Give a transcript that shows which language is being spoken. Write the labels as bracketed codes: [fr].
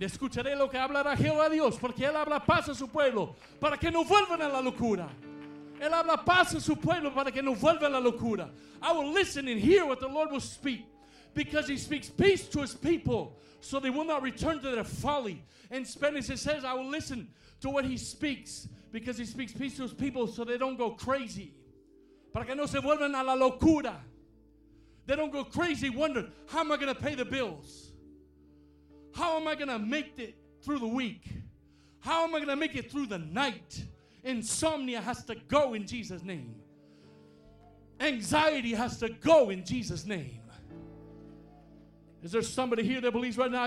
[es] Escucharé lo que hablará Jehová Dios, porque Él habla paz a su pueblo, para que no vuelvan a la locura. Él habla paz a su pueblo para que no vuelva la locura. [en] I will listen and hear what the Lord will speak, because he speaks peace to his people so they will not return to their folly. In Spanish it says, I will listen to what he speaks because he speaks peace to his people so they don't go crazy. [es] Para que no se vuelvan a la locura. [en] They don't go crazy wondering, how am I going to pay the bills? How am I going to make it through the week? How am I going to make it through the night? Insomnia has to go in Jesus' name. Anxiety has to go in Jesus' name. Is there somebody here that believes right now?